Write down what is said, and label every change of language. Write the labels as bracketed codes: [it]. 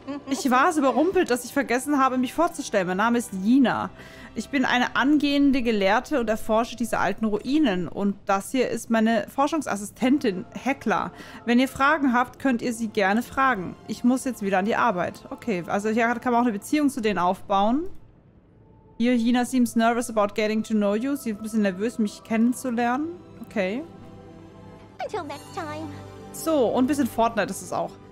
[de] Ich war so überrumpelt, dass ich vergessen habe, mich vorzustellen. Mein Name ist Yina. Ich bin eine angehende Gelehrte und erforsche diese alten Ruinen. Und das hier ist meine Forschungsassistentin, Hekla. Wenn ihr Fragen habt, könnt ihr sie gerne fragen. Ich muss jetzt wieder an die Arbeit. Okay, also hier kann man auch eine Beziehung zu denen aufbauen. [en] Hier, Yina seems nervous about getting to know you. [de] Sie ist ein bisschen nervös, mich kennenzulernen. Okay. [en] Until next time. [de] So, und ein bisschen Fortnite ist es auch.